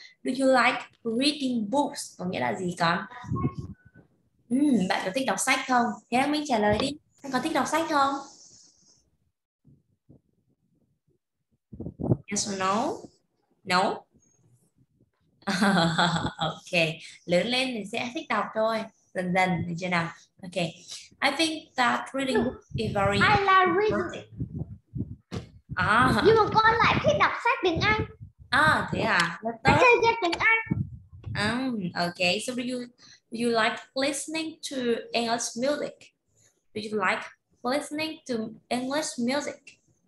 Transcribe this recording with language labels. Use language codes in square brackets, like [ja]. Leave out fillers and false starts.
[en] Do you like reading books? [vi] Có nghĩa là gì con? Bạn có thích đọc sách không? Thế Đăng Minh trả lời đi. Bạn có thích đọc sách không? [en] Yes or no? No? [vi] Ok. Lớn lên thì sẽ thích đọc thôi. Dần dần, được chưa nào? Ok. [en] I think that reading books is very important. I like reading. [vi] Nhưng mà con lại thích đọc sách tiếng Anh. À, thế à? Rất tốt. Chơi game tiếng Anh. [en] Ok. So do you like listening to English music? Do you like listening to English music?